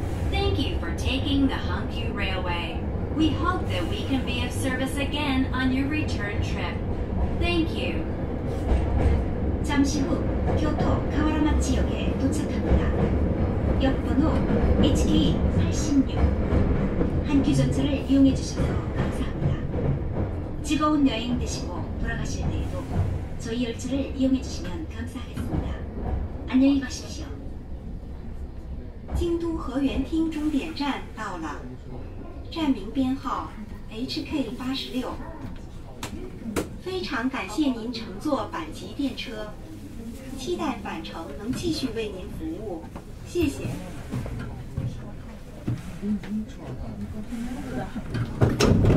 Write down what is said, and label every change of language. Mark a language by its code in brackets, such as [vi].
[en] Thank you for taking the Hankyu Railway. We hope that we can be of service again on your return trip. Thank you. [ko] 잠시 후 교토 카와라마 지역에 도착합니다. 역번호 HK86 한큐 전차를 이용해 주셔서 감사합니다. 즐거운 여행 되시고 돌아가실 때에도 저희 열차를 이용해 주시면 감사하겠습니다. 안녕히 가십시오. [zh] 京都河原町终点站到了，站名编号 HK86。非常感谢您乘坐阪急电车，期待返程能继续为您服务，谢谢。